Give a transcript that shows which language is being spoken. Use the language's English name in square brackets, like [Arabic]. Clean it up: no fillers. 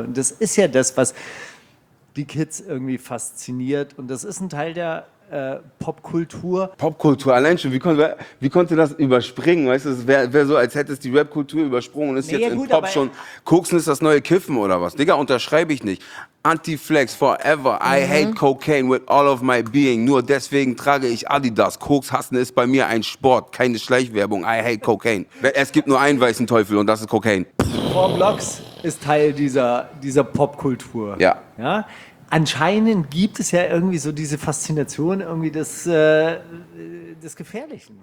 [German] Und das ist ja das, was die Kids irgendwie fasziniert. Und das ist ein Teil der Popkultur. Popkultur, allein schon, wie konnte das überspringen? Weißt du, es wäre so, als hätte es die Rapkultur übersprungen und ist jetzt in Pop schon. Koksen ist das neue Kiffen oder was? Digga, unterschreibe ich nicht. Anti-Flex forever. [English] I hate cocaine with all of my being. [German] Nur deswegen trage ich Adidas. Koks hassen ist bei mir ein Sport. Keine Schleichwerbung. [English] I hate cocaine. [German] Es gibt nur einen weißen Teufel und das ist Cocaine. Four Blocks ist Teil dieser Popkultur. Ja. Ja. Anscheinend gibt es ja irgendwie so diese Faszination irgendwie des Gefährlichen.